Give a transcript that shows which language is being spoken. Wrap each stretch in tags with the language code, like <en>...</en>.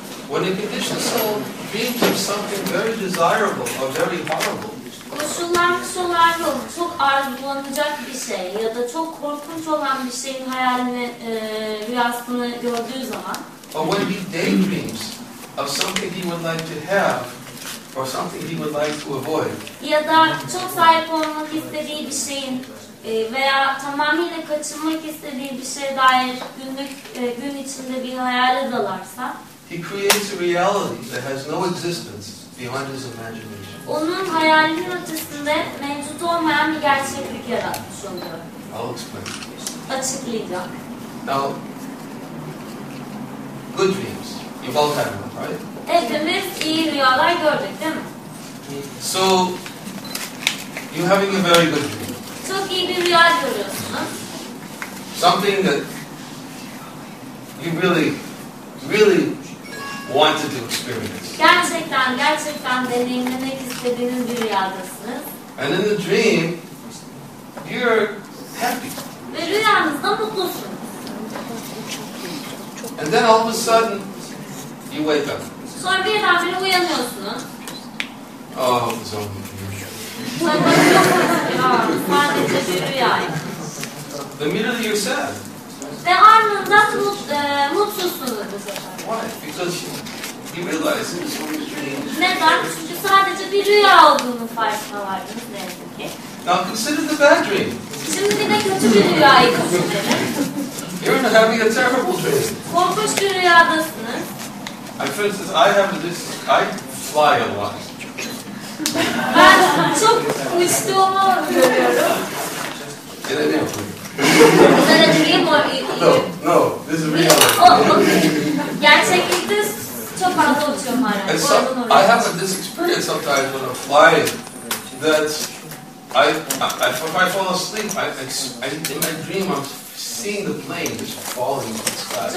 <en>When a conditioned soul dreams of something very desirable or very horrible.</en> <tr>Koşullanmış olan yok, çok arzulanacak bir şey ya da çok korkunç olan bir şeyin hayalini, rüyasını gördüğü zaman.</tr> <en>Or when he daydreams of something he would like to have, or something he would like to avoid.</en> <tr>Ya da çok sahip olmak istediği bir şeyin veya tamamıyla kaçınmak istediği bir şeye dair günlük gün içinde bir hayale dalarsa.</tr> <en>He creates a reality that has no existence beyond his imagination.</en> <tr>Onun hayalinin ötesinde mevcut olmayan bir gerçeklik yaratmış oluyor.</tr> <en>I'll explain.</en> <tr>Açıklayacağım.</tr> <en>Now, good dreams. You've all had them, right?</en> <tr>Hepimiz iyi rüyalar gördük, değil mi?</tr> <en>So, you're having a very good dream.</en> <tr>Çok iyi bir rüya görüyorsunuz.</tr> <en>Something that you really, really wanted to experience.</en> <tr>Gerçekten deneyimlemek istediğiniz bir rüyadasınız.</tr> <en>And in the dream, you're happy.</en> <tr>Ve rüyanızda mutlusunuz.</tr> <en>And then all of a sudden, you wake up.</en> <tr>Sonra bir adam bile uyanıyorsunuz.</tr> <en>Oh, it's only a dream.</en> <tr>Sadece bir rüya.</tr> <en>Immediately you're sad.</en> <tr>Ve anında mutsuzsunuz.</tr> <en>Why? Because he realizes it's only a dream.</en> <tr>Neden? Çünkü sadece bir rüya olduğunu farkına vardınız.</tr> <en>Now consider the bad dream.</en> <tr>Şimdi bir de kötü bir rüyayı düşünelim.</tr> <en>You're having a terrible dream.</en> <tr>Korkunç bir rüyadasınız.</tr> <en>For instance, I have this. I fly a lot.</en> <tr>Ben çok uçtuğumu görüyorum. Yine değil mi?</tr> <en>Is that a dream or no? No, this is real. Oh, okay.</en> <tr>Gerçeklikte çok fazla uçuyorum hala.</tr> <en>Some, I have this experience sometimes when I'm flying that I fall asleep. In my dream, I'm seeing the plane just falling in the sky.</en>